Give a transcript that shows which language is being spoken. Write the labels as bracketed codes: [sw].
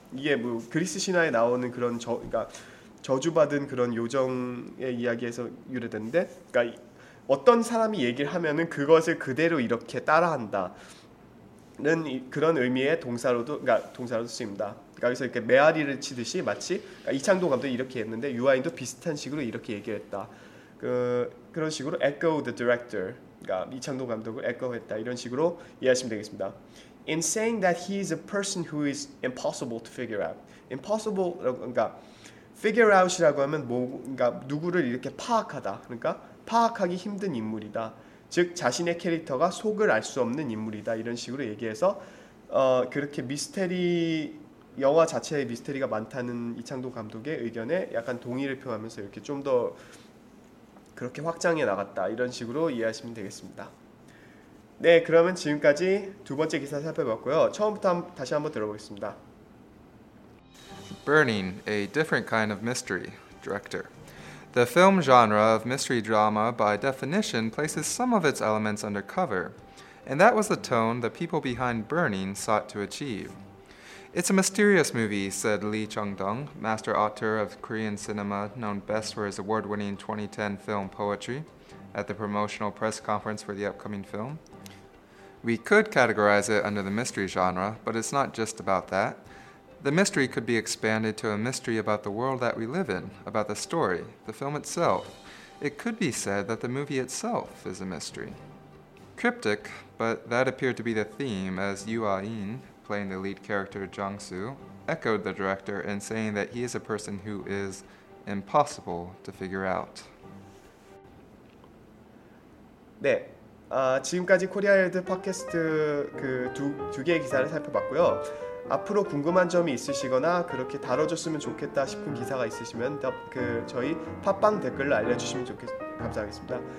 [ko] 이게 뭐 그리스 신화에 나오는 그런 그러니까 저주받은 그런 요정의 이야기에서 유래되는데, 그러니까 어떤 사람이 얘기를 하면은 그것을 그대로 이렇게 따라한다는 그런 의미의 동사로도 그러니까 동사로도 쓰입니다. 그러니까 여기서 이렇게 메아리를 치듯이 마치 그러니까 이창동 감독이 이렇게 했는데 유아인도 비슷한 식으로 이렇게 얘기했다. 그런 식으로 [en] echo the director. [ko] 그러니까 이창동 감독을 에코했다 이런 식으로 이해하시면 되겠습니다. [en] In saying that he is a person who is impossible to figure out. [ko] Impossible 그러니까 figure out이라고 하면 뭐 그러니까 누구를 이렇게 파악하다. 그러니까 파악하기 힘든 인물이다. 즉 자신의 캐릭터가 속을 알 수 없는 인물이다. 이런 식으로 얘기해서 그렇게 미스테리 영화 자체에 미스테리가 많다는 이창동 감독의 의견에 약간 동의를 표하면서 이렇게 좀 더 그렇게 확장해 나갔다 이런 식으로 이해하시면 되겠습니다. 네, 그러면 지금까지 두 번째 기사 살펴봤고요. 처음부터 다시 한번 들어보겠습니다. [en] Burning, a different kind of mystery, director. The film genre of mystery drama, by definition, places some of its elements under cover, and that was the tone the people behind Burning sought to achieve. It's a mysterious movie, said Lee Chung-dong, master auteur of Korean cinema known best for his award-winning 2010 film Poetry, at the promotional press conference for the upcoming film. We could categorize it under the mystery genre, but it's not just about that. The mystery could be expanded to a mystery about the world that we live in, about the story, the film itself. It could be said that the movie itself is a mystery. Cryptic, but that appeared to be the theme as Yu-ah-in, playing the lead character Jang-soo, echoed the director in saying that he is a person who is impossible to figure out. [ko] 네, 지금까지 코리아헤드 팟캐스트 그 두 개의 기사를 살펴봤고요. 앞으로 궁금한 점이 있으시거나 그렇게 다뤄줬으면 좋겠다 싶은 기사가 있으시면 저희 팟빵 댓글로 알려주시면 감사하겠습니다.